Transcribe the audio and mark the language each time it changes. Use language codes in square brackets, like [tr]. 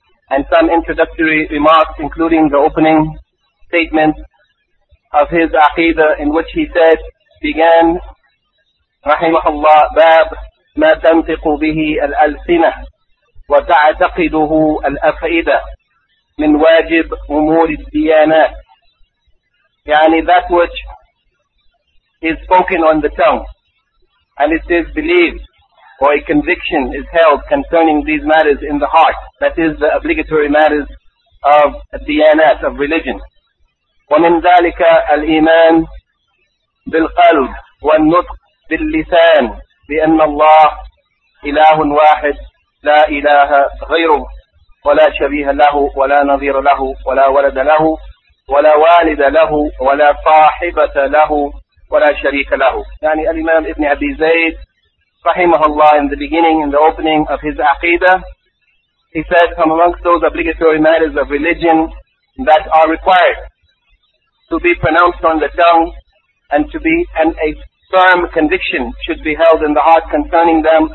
[en] and some introductory remarks, including the opening statement of his aqidah, in which he said, began, rahimahullah, [ar] باب ما تنطق به الألسنة وتعتقده الأفئدة من واجب أمور الديانات. [en] يعني that which is spoken on the tongue, and it is believed, or a conviction is held concerning these matters in the heart, that is the obligatory matters of diyanat, of religion. [ar] وَمِنْ ذَلِكَ الْإِيمَانِ بِالْقَلْبِ وَالنُّطْقِ باللسان بأن الله إله واحد لا إله غيره ولا شبيه له ولا نظير له ولا ولد له ولا والد له ولا صاحبة له ولا شريك له. يعني الإمام ابن أبي زيد رحمه الله, [en] in the beginning, in the opening of his aqidah, he said, from amongst those obligatory matters of religion that are required to be pronounced on the tongue and to be an a firm conviction should be held in the heart concerning them.